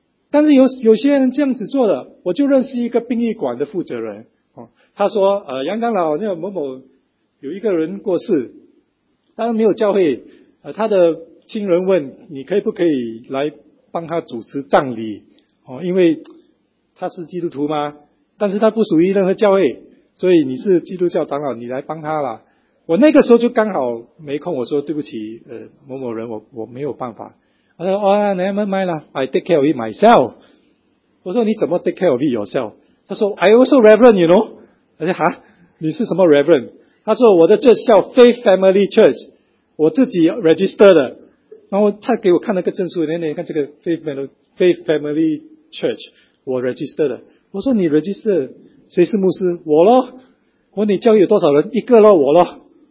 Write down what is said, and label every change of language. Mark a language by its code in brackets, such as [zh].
[zh] 但是 有些人这样子做的，我就认识一个殡仪馆的负责人、哦、他说杨长老，那个某某有一个人过世，当然没有教会，他的亲人问你可以不可以来帮他主持葬礼、哦、因为他是基督徒吗，但是他不属于任何教会，所以你是基督教长老，你来帮他啦。我那个时候就刚好没空，我说对不起某某人，我没有办法。他说、 [en] oh, never mind, I take care of it myself. [zh] 我说你怎么 [en] take care of it yourself? [zh] 他说 [en] I also reverend, you know? [zh] 我说哈，你是什么 reverend? 他说我的这叫 Faith Family Church, 我自己 register 的。然后他给我看了个证书，你看这个 Faith Family Church, 我 register 的。我说你 register, 谁是牧师？我咯。我你教会有多少人？一个咯，我咯。